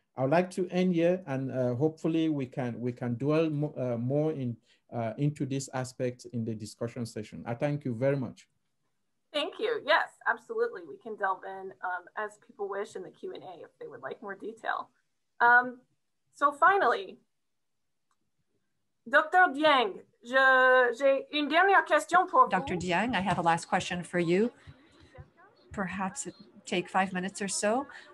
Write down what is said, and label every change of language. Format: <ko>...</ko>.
<en>I would like to end here, and hopefully we can dwell more into this aspect in the discussion session. I thank you very much. Thank you. Yes, absolutely. We can delve in as people wish in the Q&A if they would like more detail. So finally, Dr.</en> <fr>Dieng, j'ai une dernière question pour vous.</fr> <en>Dr. Dieng, I have a last question for you. Perhaps it take 5 minutes or so.</en>